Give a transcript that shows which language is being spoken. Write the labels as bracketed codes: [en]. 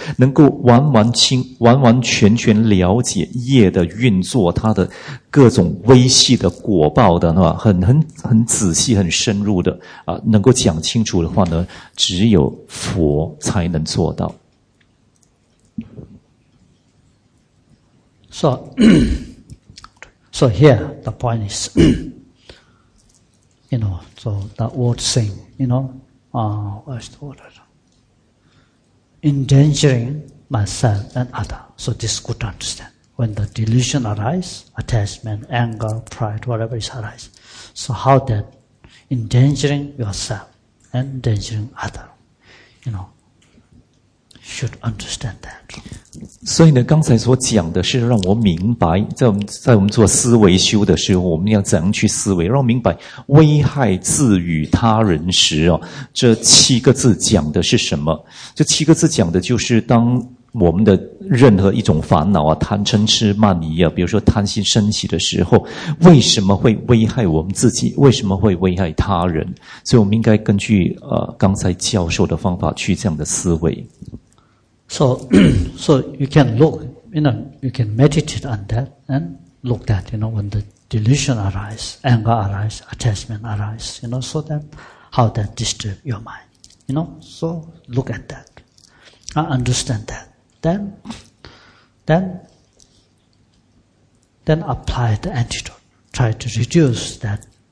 [zh] 能够完完全全了解业的运作，它的各种微细的果报的话，很仔细很深入的能够讲清楚的话呢，只有佛才能做到。 [en] So, so here, the point is, you know, so that word saying, you know, what's the word? Endangering myself and other. So this is good to understand. When the delusion arises, attachment, anger, pride, whatever is arise. So how that endangering yourself and endangering other, you know,should understand that. [zh] 所以呢刚才所讲的是让我明白，在我们做思维修的时候，我们要怎样去思维，让我明白危害自与他人时这七个字讲的是什么。这七个字讲的就是当我们的任何一种烦恼贪嗔痴慢疑比如说贪心升起的时候，为什么会危害我们自己，为什么会危害他人。所以我们应该根据刚才教授的方法去这样的思维。 [en] So you can look, you know, you can meditate on that and look that, you know, when the delusion arises, anger arises, attachment arises, you know, so that how that disturbs your mind, you know, so look at that, understand that, then apply the antidote, try to reduce that